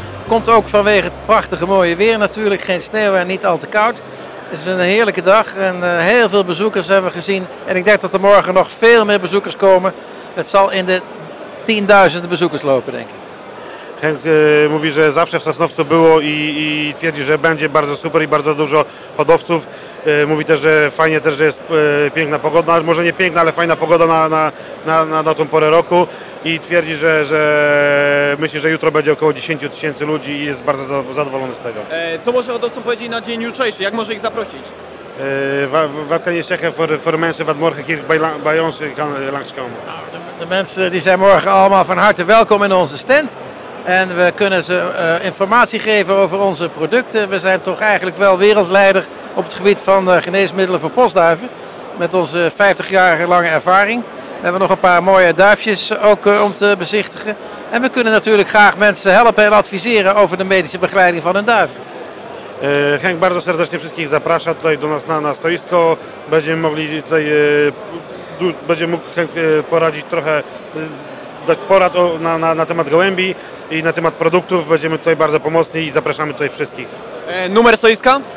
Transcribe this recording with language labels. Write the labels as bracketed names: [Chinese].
[Dutch] Komt ook vanwege het prachtige mooie weer natuurlijk. Geen sneeuw en niet al te koud. Het is een heerlijke dag en heel veel bezoekers hebben we gezien. En ik denk dat er morgen nog veel meer bezoekers komen. Het zal in de tienduizenden bezoekers lopen, denk ik. [Polish] Mówi, że zawsze w Sosnowcu było i twierdzi, że będzie bardzo super i bardzo dużo hodowców. Mówi też, że fajnie też, że jest piękna pogoda, może nie piękna, ale fajna pogoda na tą porę roku. I twierdzi, że myśli, że jutro będzie około 10 tysięcy ludzi i jest bardzo zadowolony z tego. Co może hodowcom powiedzieć na dzień jutrzejszy? Jak może ich zaprosić? [Dutch] Watkanie zeggen voor mensen wat morgen hier bij ons langskomen. De mensen die zijn morgen allemaal van harte welkom in onze stand. En we kunnen ze informatie geven over onze producten. We zijn toch eigenlijk wel wereldleider op het gebied van geneesmiddelen voor postduiven. Met onze 50 jaar lange ervaring. We hebben nog een paar mooie duifjes ook om te bezichtigen. En we kunnen natuurlijk graag mensen helpen en adviseren over de medische begeleiding van hun duif. [Polish] Henk, bardzo serdecznie wszystkich zaprasza tutaj do nas na stoisko. Będziemy mogli tutaj, będziemy mógł Henk poradzić trochę, dać porad na temat gołębi. I na temat produktów będziemy tutaj bardzo pomocni i zapraszamy tutaj wszystkich. Numer stoiska?